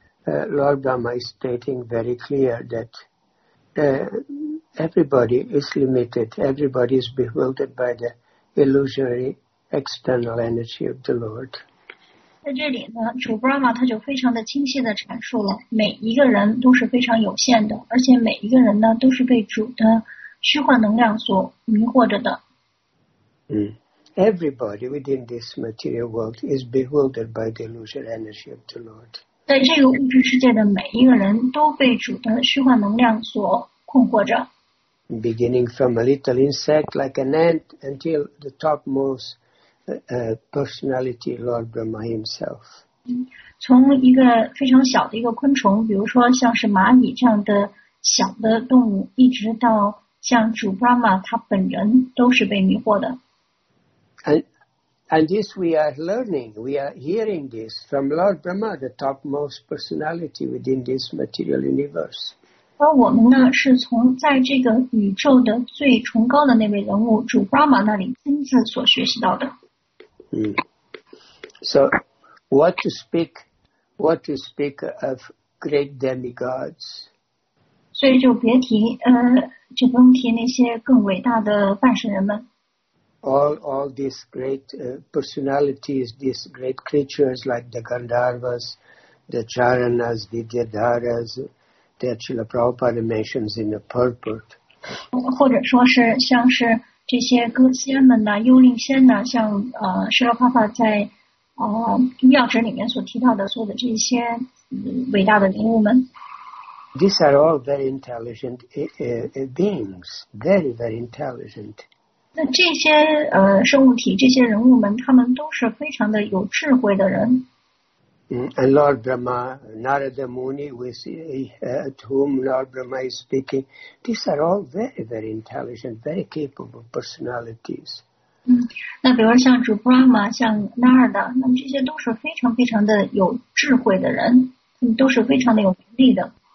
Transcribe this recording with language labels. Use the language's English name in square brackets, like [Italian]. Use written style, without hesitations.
[English] Lord Brahma is stating very clear that everybody is limited, everybody is bewildered by the illusory external energy of the Lord. [Chinese] 在这里呢，主 Brahma 他就非常的清晰的阐述了，每一个人都是非常有限的，而且每一个人呢都是被主的虚幻能量所迷惑着的。 [English] Everybody within this material world is bewildered by the illusory energy of the Lord. [Chinese] 在这个物质世界的每一个人都被主的虚幻能量所困惑着。 [English] Beginning from a little insect like an ant until the topmost personality, Lord Brahma himself. [Chinese] 从一个非常小的一个昆虫，比如说像是蚂蚁这样的小的动物，一直到像主 Brahma 他本人都是被迷惑的。 [English] And this we are learning, we are hearing this from Lord Brahma, the topmost personality within this material universe. [Chinese] 而我们呢，是从在这个宇宙的最崇高的那位人物主 Brahma 那里亲自所学习到的。 [English] So, what to speak of great demigods? [Chinese] 所以就别提，就不用提那些更伟大的半神人们。 [English] All these great personalities, these great creatures like the Gandharvas, the Charanas, Vidyadharas, the Achila Prabhupada mentions in the purport. [Chinese] 或者说是像是这些歌仙们呢，幽灵仙呢，像释迦牟尼佛在药旨里面所提到的所有的这些伟大的灵物们。 [English] These are all very intelligent beings, very, very intelligent. [Chinese] 那这些生物体，这些人物们，他们都是非常的有智慧的人。 [English] And Lord Brahma, Narada Muni, with whom Lord Brahma is speaking, these are all very, very intelligent, very capable personalities. [Chinese] 那比如像主 Brahma, 像 Narada, 那么这些都是非常非常的有智慧的人，都是非常的有能力的。